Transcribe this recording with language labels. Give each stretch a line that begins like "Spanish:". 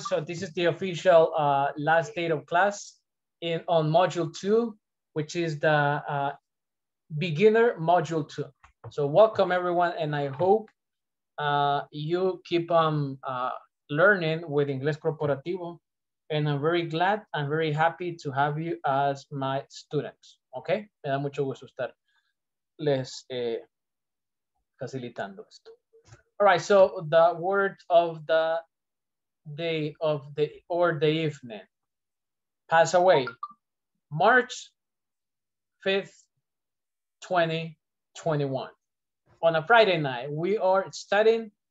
English: So this is the official last day of class on module 2, which is the beginner module 2. So welcome everyone, and I hope you keep on learning with Inglés Corporativo, and I'm very glad, I'm very happy to have you as my students, okay?
Spanish: Me da mucho gusto estar les facilitando esto.
English: All right, so the word of the day of the, or the evening, pass away, March 5th, 2021. On a Friday night, we are studying